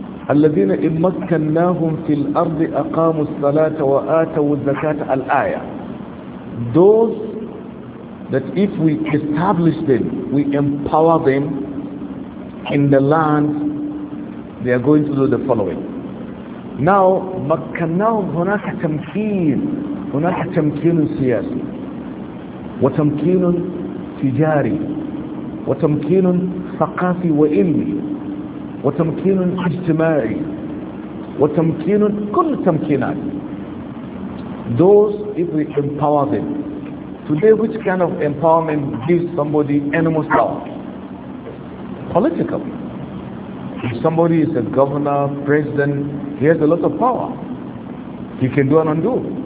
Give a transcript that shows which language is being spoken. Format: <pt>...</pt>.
<ar>الَّذِينَ إِن مَكَّنَّاهُمْ فِي الْأَرْضِ أَقَامُوا الصَّلَاةَ وَآتَوُوا الزَّكَاةَ الْآيَةَ.</ar> <en>Those that if we establish them, we empower them in the land, they are going to do the following. Now,</en> <ar>مَكَّنَّاهُمْ هُنَاكَ تَمْكِينَ. هناك تمكين سياسي وتمكين تجاري وتمكين ثقافي وعلمي وتمكين اجتماعي وتمكين كل تمكينات.</ar> <en>Those if we empower them. Today which kind of empowerment gives somebody enormous power? Political. If somebody is a governor, president, he has a lot of power. He can do and undo.</en>